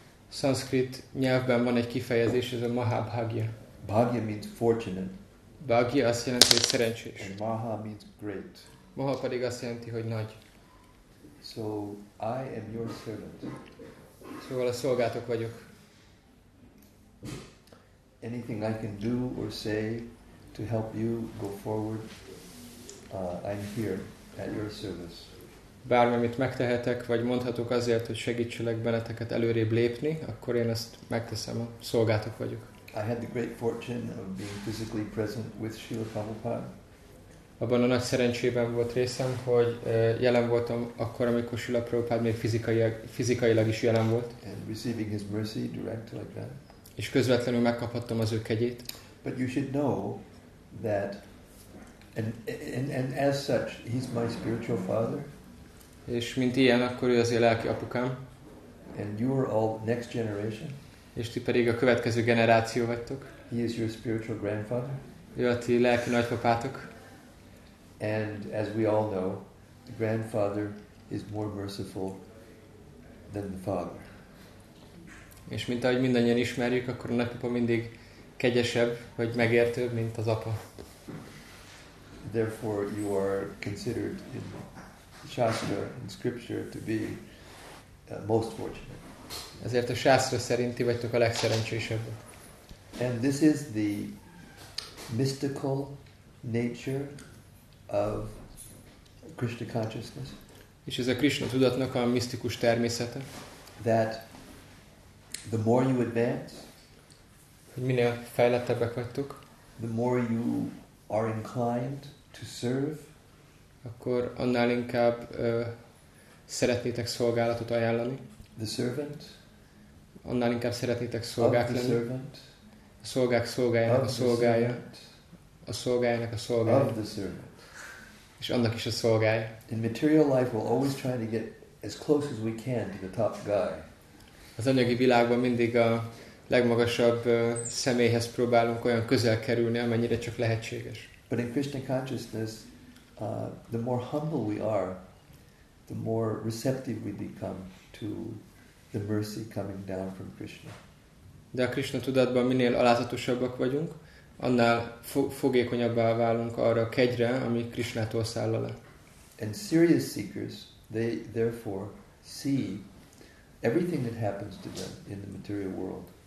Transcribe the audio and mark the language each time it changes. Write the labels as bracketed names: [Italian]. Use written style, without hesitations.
[Hungarian] Sanskrit nyelvben van egy kifejezés, ez a Mahabhagya. [English] Bhagya means fortunate. [Hungarian] Bhagya azt jelenti, hogy szerencsés. [English] And Maha means great. [Hungarian] Maha pedig azt jelenti, hogy nagy. [English] So I am your servant. [Hungarian] Szóval a szolgátok vagyok. [English] Anything I can do or say to help you go forward, I'm here at your service. [Hungarian] Bármit megtehetek, vagy mondhatok azért, hogy segítselek benneteket előrébb lépni, akkor én ezt megteszem, a szolgátok vagyok. [English] I had the great fortune of being physically present with Srila Prabhupada. [Hungarian] Abban a nagy szerencsében volt részem, hogy jelen voltam akkor, amikor Srila Prabhupada még fizikailag is jelen volt. [English] And receiving his mercy direct like that. [Hungarian] És közvetlenül megkaphattam az ő kegyét. [English] But you should know that and as such he's my spiritual father. [Hungarian] És mint ilyen, akkor ő az én lelki apukám. [English] And you are all next generation. [Hungarian] És ti pedig a következő generáció vagytok. [English] He is your spiritual grandfather. [Hungarian] Ő a ti lelki nagypapátok. [English] And as we all know, the grandfather is more merciful than the father. [Hungarian] És mint ahogy mindannyian ismerjük, akkor a nagypapa mindig kegyesebb, vagy megértőbb, mint az apa. [English] Therefore you are considered in Shastra, in scripture, to be most fortunate. [Hungarian] Ezért a Shastra szerint ti vagytok a legszerencsésebb. [English] And this is the mystical nature of Krishna consciousness. [Hungarian] És ez a Krishna tudatnak a misztikus természete. [English] That the more you advance, [Hungarian] hogy minél fejlettebbek vagytok, [English] the more you are inclined to serve, [Hungarian] akkor annál inkább szeretnétek szolgálatot ajánlani. [English] The servant, [Hungarian] annál inkább szeretnétek szolgák lenni. [English] The servant, [Hungarian] a szolgák szolgájának a szolgája. A szolgájának a szolgája. [English] Of the servant, [Hungarian] és annak is a szolgája. [English] In material life, we're always trying to get as close as we can to the top guy. [Hungarian] Az anyagi világban mindig a legmagasabb személyhez próbálunk olyan közel kerülni, amennyire csak lehetséges. [English] But in Krishna consciousness, the more humble we are, the more receptive we become to the mercy coming down from Krishna. [Hungarian] De a Krishna tudatban minél alázatosabbak vagyunk, annál fogékonyabbá válunk arra a kegyre, ami Krishnától száll alá. [English] And serious seekers, they therefore see everything that happens to them in the material world.